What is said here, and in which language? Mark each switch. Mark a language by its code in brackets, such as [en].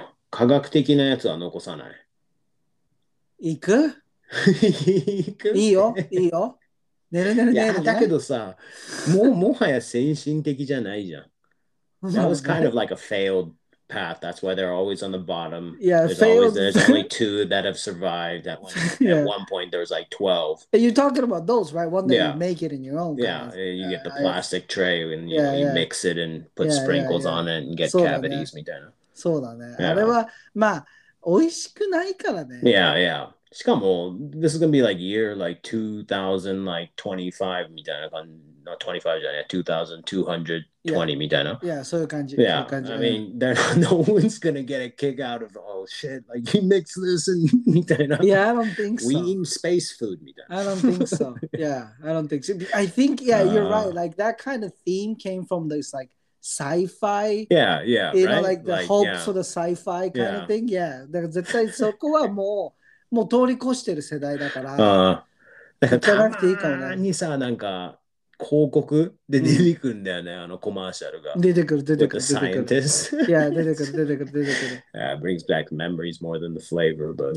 [ja] 科学的なやつは残さない。行く？行く？いいよ、いいよ。ねるねるねるね。いや、だけどさ、もうもはや先進的じゃないじゃん。 [en] That was kind of like a failed path. That's why they're always on the bottom. Yeah, there's only two that have survived. At one, yeah. At one point, there's like 12. And you're talking about those, right? One that you make it in your own. Yeah, kind of. You get the plastic tray and you, know, you mix it and put sprinkles on it and get cavities. [ja] みたいな。そうだね。あれは、まあ、美味しくないからね。 [en] Yeah, yeah. [ja] しかも、 [en] this is going to be like year like 2025 [ja] みたいな感じ。 [en] Not 25, yeah, 2220, [ja] みたいな。 [en] Yeah, [ja] そういう感じ。 [en] Yeah, [ja] そういう感じ。 [en] I mean, no one's gonna get a kick out of, oh shit, like you mix this and, [ja] みたいな。 [en] Yeah, I don't think so. We eat space food, [ja] みたいな。 [en] I don't think so. Yeah, I don't think so. I think, yeah, you're right. Like that kind of theme came from those like sci-fi. Yeah, yeah. You know, like the hopes for the sci-fi kind of thing. Yeah. [ja] だから絶対そこはもう、もう通り越してる世代だから。たまにさ、なんか広告で出てくるんだよね、あのコマーシャルが。出てくる、出てくる。 [en] The scientist. Yeah, [ja] 出てくる、出てくる、出てくる。 [en] Yeah, brings back memories more than the flavor, but...